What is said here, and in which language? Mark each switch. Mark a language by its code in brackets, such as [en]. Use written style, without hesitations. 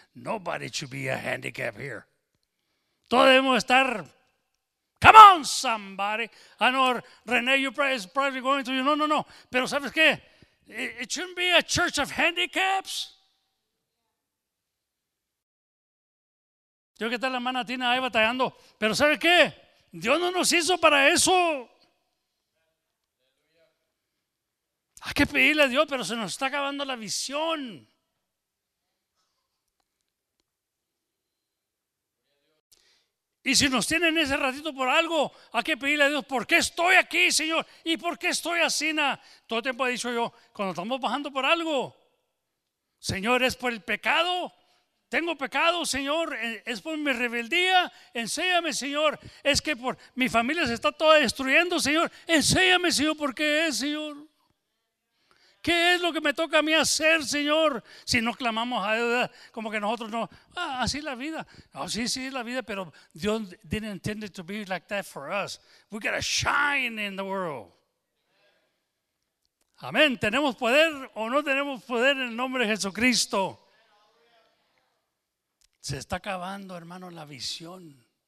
[en] Nobody should be a handicap here. [es] Todos debemos estar. [en] Come on, somebody. I know Rene, you're probably going to. [es] No. Pero sabes qué? [en] It shouldn't be a church of handicaps. [es] Yo que está la hermana Tina ahí batallando. Pero sabes qué? Dios no nos hizo para eso. Hay que pedirle a Dios, pero se nos está acabando la visión. Y si nos tienen ese ratito por algo, hay que pedirle a Dios, ¿por qué estoy aquí, Señor? ¿Y por qué estoy así? Todo el tiempo he dicho yo, cuando estamos bajando por algo, Señor, ¿es por el pecado? ¿Tengo pecado, Señor? ¿Es por mi rebeldía? Enséñame, Señor. ¿Es que por mi familia se está toda destruyendo, Señor? Enséñame, Señor, ¿por qué es, Señor? ¿Qué es lo que me toca a mí hacer, Señor? Si no clamamos a Dios, como que nosotros no. Ah, así es la vida. [en] Oh, [es] sí es la vida, pero [en] Dios didn't intend it to be like that for us. We gotta shine in the world. [es] Amén. ¿Tenemos poder o no tenemos poder en el nombre de Jesucristo? Se está acabando, hermano, la visión.